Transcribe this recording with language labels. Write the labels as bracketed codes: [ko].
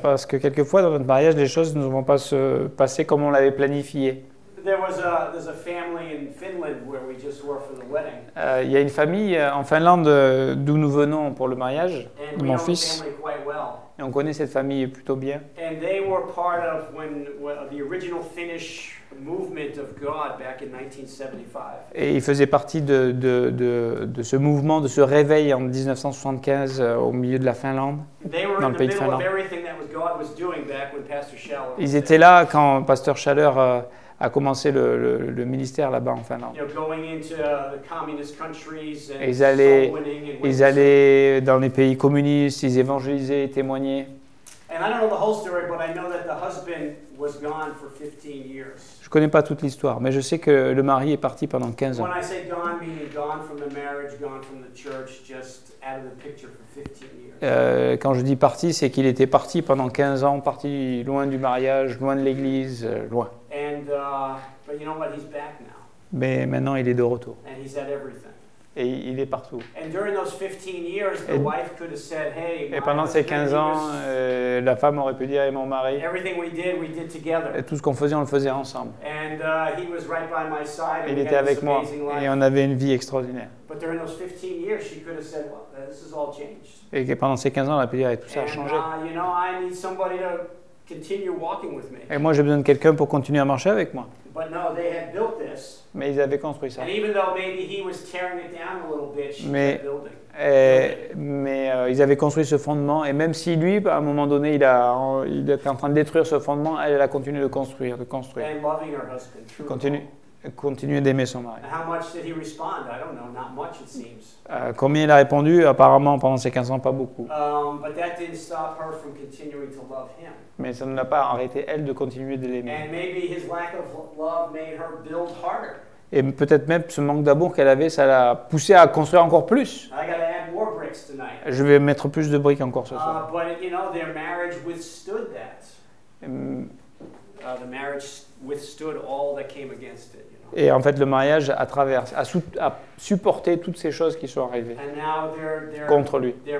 [fr] Parce que quelquefois dans notre mariage, les choses ne vont pas se passer comme on l'avait planifié. [en] There's a family in Finland where we just were for the wedding. [fr] Il y a une famille en Finlande d'où nous venons pour le mariage, [en] and [fr] mon fils. [en] Well. [fr] Et on connaît cette famille plutôt bien. [en] And they were part of the original Finnish movement of God back in 1975. [fr] Et ils faisaient partie de ce mouvement, de ce réveil en 1975 au milieu de la Finlande, dans le pays de Finlande. [en] They were in the middle of everything that was God was doing back when Pastor Schaller. [fr] Ils étaient là quand Pasteur Schaller a commencé le ministère là-bas en Finlande. [en] You know, going into the communist countries and [fr] ils allaient dans les pays communistes, ils évangélisaient, témoignaient. [en] And I don't know the whole story, but I know that the husband was gone for 15 years. [fr] Je connais pas toute l'histoire, mais je sais que le mari est parti pendant 15 ans. [en] When I say gone, meaning gone from the marriage, gone from the church, just out of the picture for 15 years. [fr] Quand je dis parti, c'est qu'il était parti pendant 15 ans, parti loin du mariage, loin de l'église, loin. [en] And, but you know what? He's back now. [fr] Mais maintenant, il est de retour. [en] And he's at everything. [fr] Et il est partout. [en] And during those 15 years, the wife could have said, hey, [fr] et pendant ces 15 ans, la femme aurait pu dire, hey, mon mari, [en] everything we did together. [fr] Et tout ce qu'on faisait, on le faisait ensemble. [en] And, he was right by my side, [fr] il était avec moi et on avait une vie extraordinaire. [en] But during those 15 years, she could have said, well, this has all changed. [fr] Et pendant ces 15 ans, elle a pu dire, hey, tout ça [en] and, [fr] a changé. [en] You know, I need somebody to continue walking with me. [fr] Et moi, j'ai besoin de quelqu'un pour continuer à marcher avec moi. [en] But no, they had built this. [fr] Mais ils avaient construit ça. [en] And even though maybe he was tearing it down a little bit, [fr] mais, ils avaient construit ce fondement. Et même si lui, à un moment donné, il était en train de détruire ce fondement, elle, elle a continué de construire, de construire. [en] And loving her husband, true. [fr] Continuer d'aimer son mari. [en] How much did he respond? I don't know, not much it seems. [fr] Combien il a répondu? Apparemment, pendant ces 15 ans, pas beaucoup. [en] But that didn't stop her from continuing to love him. [fr] Mais ça ne l'a pas arrêté, elle, de continuer de l'aimer. [en] And maybe his lack of love made her build harder. [fr] Et peut-être même ce manque d'amour qu'elle avait, ça l'a poussé à construire encore plus. [en] I gotta add more bricks tonight. [fr] Je vais mettre plus de briques encore ce soir. [en] But you know, their marriage withstood that. The marriage withstood all that came against it. [fr] Et en fait, le mariage a supporté toutes ces choses qui sont arrivées contre lui.